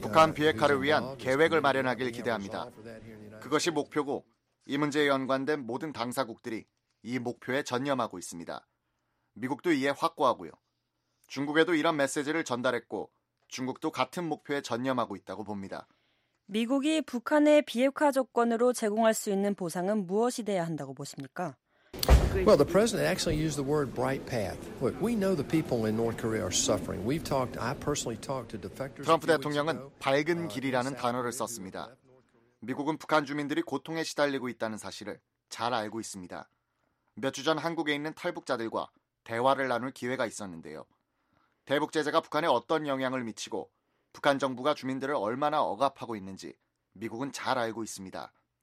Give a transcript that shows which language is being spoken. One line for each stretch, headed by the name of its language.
Korean: 북한 비핵화를 위한 계획을 마련하길 기대합니다. 그것이 목표고 이 문제에 연관된 모든 당사국들이 이 목표에 전념하고 있습니다. 미국도 이에 확고하고요. 중국에도 이런 메시지를 전달했고 중국도 같은 목표에 전념하고 있다고 봅니다. 미국이 북한의 비핵화 조건으로 제공할 수 있는 보상은 무엇이 돼야 한다고 보십니까?
English: Well, the president actually used the word bright path. Look, we know the people in North Korea are suffering. We've talked, I personally talked to defectors.
Korean: 트럼프 대통령은 밝은 길이라는 단어를 썼습니다. 미국은 북한 주민들이 고통에 시달리고 있다는 사실을 잘 알고 있습니다. 몇 주 전 한국에 있는 탈북자들과 대화를 나눌 기회가 있었는데요. 대북 제재가 북한에 어떤 영향을 미치고 북한 정부가 주민들을 얼마나 억압하고 있는지 미국은 잘 알고 있습니다.